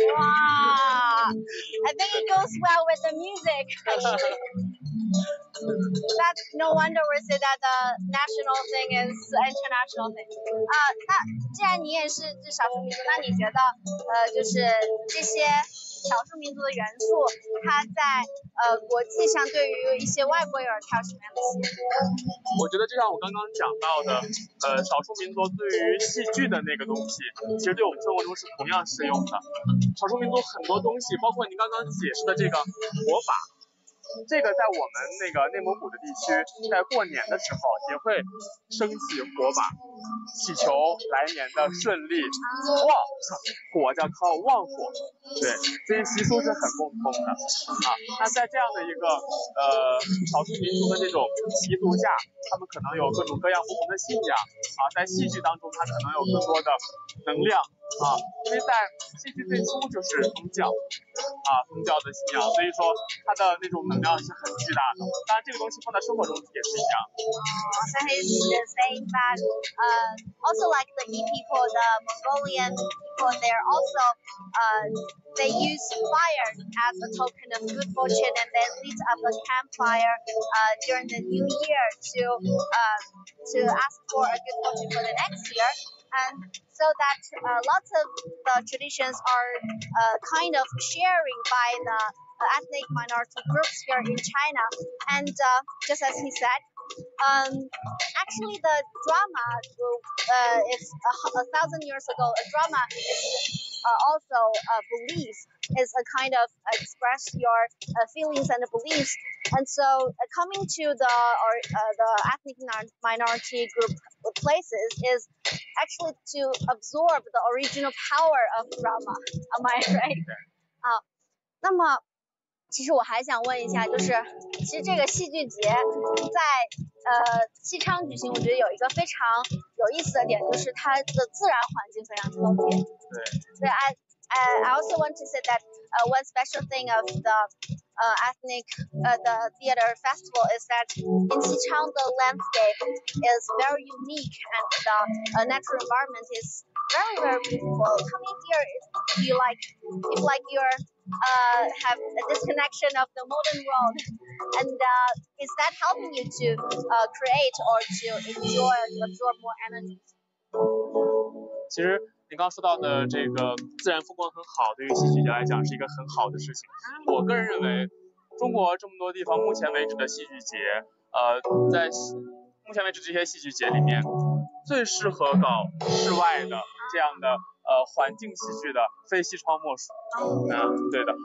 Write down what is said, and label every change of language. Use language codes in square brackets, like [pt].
[en] I think it goes well with the music. That's no wonder we say that the national thing is international thing. [zh] 那既然你也是这少数民族，那你觉得就是这些少数民族的元素，它在国际上对于一些外国人，它有什么样的吸引？我觉得就像我刚刚讲到的，少数民族对于戏剧的那个东西，其实对我们生活中是同样适用的。少数民族很多东西，包括您刚刚解释的这个活法。这个在我们那个内蒙古的地区，在过年的时候也会升起火把，祈求来年的顺利。旺火叫靠旺火，对，这些习俗是很共通的啊。那在这样的一个少数民族的这种习俗下，他们可能有各种各样不同的信仰啊，在戏剧当中，他可能有更多的能量。因为在戏剧最初就是宗教，宗教的信仰，所以说它的那种能量是很巨大的。当然，这个东西放在生活中也是一样。 [en] So he's saying that, also like the Yi people, the Mongolian people, they're also, they use fire as a token of good fortune, and they lit up a campfire, during the New Year to ask for a good fortune for the next year, and. So that lots of the traditions are kind of sharing by the ethnic minority groups here in China. And just as he said, actually the drama is 1,000 years ago, a drama is also a belief. is a kind of express your feelings and beliefs. And so coming to the ethnic minority group places is actually to absorb the original power of Rama. Am I right? [zh] 那么其实我还想问一下，就是其实这个戏剧节在西昌举行，我觉得有一个非常有意思的点，就是它的自然环境非常特别。对。 [en] I also want to say that one special thing of the ethnic the theater festival is that in Xichang the landscape is very unique and the natural environment is very very beautiful. Coming here is like you're have a disconnection of the modern world, and is that helping you to create or to enjoy and absorb more energy? [zh] 其实您刚刚说到的这个自然风光很好，对于戏剧节来讲是一个很好的事情。我个人认为，中国这么多地方目前为止的戏剧节，在目前为止这些戏剧节里面，最适合搞室外的这样的环境戏剧的，非西窗莫属。嗯，对的。